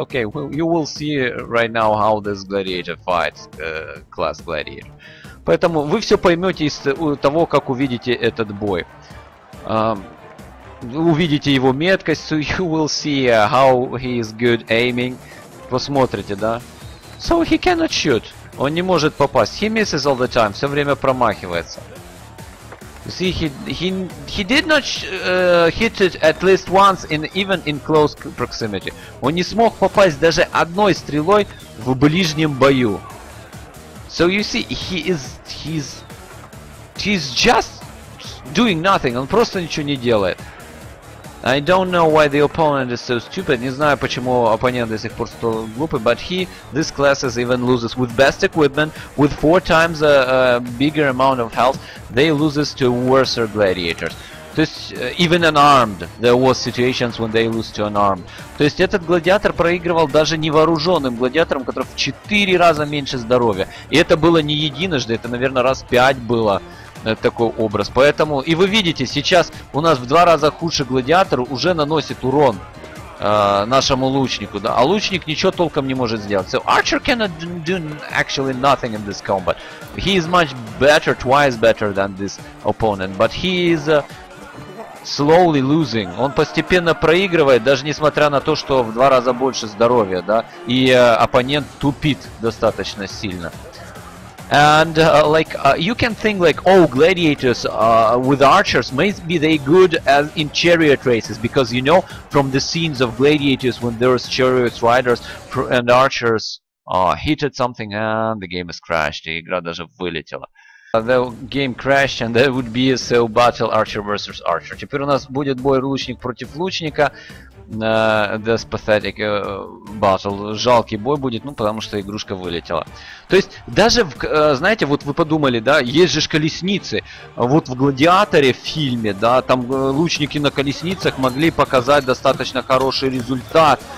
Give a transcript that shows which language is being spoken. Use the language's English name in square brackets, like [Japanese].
[English] Okay, you will see right now how this gladiator fights, class gladiator. [Russian] Поэтому вы все поймете из того, как увидите этот бой. Увидите его меткость. [English] So you will see how he is good aiming. [Russian] Посмотрите, да? [English] So he cannot shoot. [Russian] Он не может попасть. [English] He misses all the time. [Russian] Все время промахивается. [English] You see, he did not hit it at least once in even in close proximity. [Russian] Он не смог попасть даже одной стрелой в ближнем бою. [English] So you see, he's just doing nothing. [Russian] Он просто ничего не делает. [English] I don't know why the opponent is so stupid. [Russian] Не знаю, почему оппонент до сих пор столь глупый. [English] But he, this class is even loses with best equipment, with 4 times a bigger amount of health, they loses to worse gladiators. [Russian] То есть, [English] even unarmed, there was situations when they lose to unarmed. [Russian] То есть, этот гладиатор проигрывал даже невооруженным гладиаторам, у которых в 4 раза меньше здоровья. И это было не единожды, это, наверное, раз 5 было такой образ. Поэтому, и вы видите, сейчас у нас в 2 раза хуже гладиатор уже наносит урон нашему лучнику, да? А лучник ничего толком не может сделать. [English] So, archer cannot do actually nothing in this combat. He is much better, twice better than this opponent, but he is... slowly losing. [Russian] Он постепенно проигрывает, даже несмотря на то, что в 2 раза больше здоровья, да, и оппонент тупит достаточно сильно. [English] And like you can think like, oh, gladiators with archers, maybe they good as in chariot races, because you know from the scenes of gladiators when there's chariot riders and archers hit at something and the game is crashed. [Russian] И игра даже вылетела. [English] The game crashed, and there would be a so battle archer versus archer. [Russian] Теперь у нас будет бой лучник против лучника. [English] This pathetic battle. [Russian] Жалкий бой будет, ну, потому что игрушка вылетела. То есть, даже, в, знаете, вот вы подумали, да, есть же колесницы. Вот в «Гладиаторе» в фильме, да, там лучники на колесницах могли показать достаточно хороший результат.